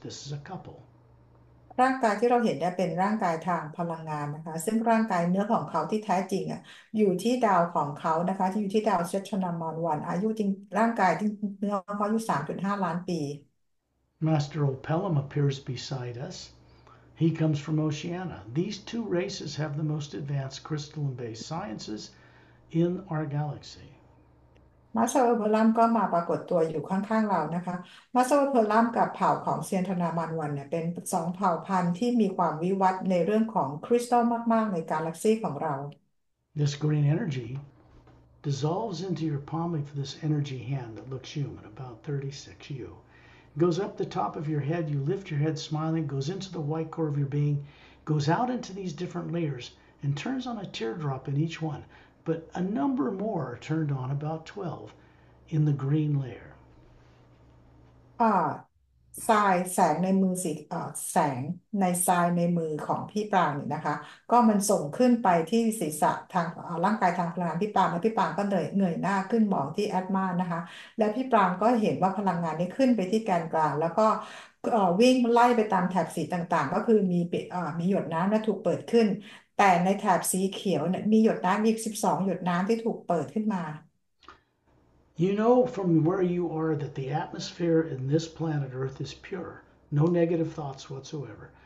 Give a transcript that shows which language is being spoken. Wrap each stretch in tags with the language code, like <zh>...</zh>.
<en>This is a couple.</en> <th>ร่างกายที่เราเห็นได้เป็นร่างกายทางพลังงานนะคะซึ่งร่างกายเนื้อของเขาที่แท้จริงอ่ะอยู่ที่ดาวของเขานะคะที่อยู่ที่ดาวเซชนามอนวันอายุจริงร่างกายที่เนื้อของเขาอายุ3.5 ล้านปี</th> <en>Master Opellum appears beside us. He comes from Oceania. These two races have the most advanced crystalline-based sciences in our galaxy.</en> <th>มาสเตอร์เพลัมก็มาปรากฏตัวอยู่ข้างๆเรานะคะมาสเตอร์เพลัมกับเผ่าของเซียนทนามานวันเนี่ยเป็น2 เผ่าพันธุ์ที่มีความวิวัฒน์ในเรื่องของคริสตัลมากๆในกาแล็กซีของเรา</th> <en>This green energy dissolves into your palm of this energy hand that looks human, about 36 you. Goes up the top of your head, you lift your head smiling, goes into the white core of your being, goes out into these different layers, and turns on a teardrop in each one. But a number more are turned on, about 12, in the green layer.</en> <th>ทรายแสงในมือสิแสงในทรายในมือของพี่ปรางนี่นะคะก็มันส่งขึ้นไปที่ศีรษะทางร่างกายทางพลังงานพี่ปรางแล้วพี่ปรางก็เหนื่อยหน้าขึ้นมองที่แอดมานะคะแล้วพี่ปรางก็เห็นว่าพลังงานได้ขึ้นไปที่แกนกลางแล้วก็วิ่งไล่ไปตามแถบสีต่างๆก็คือมีหยดน้ำและถูกเปิดขึ้นแต่ในแถบสีเขียวเนี่ยมีหยดน้ำอีก12 หยดน้ำที่ถูกเปิดขึ้นมา</th> <en>You know from where you are that the atmosphere in this planet Earth is pure, no negative thoughts whatsoever.</en>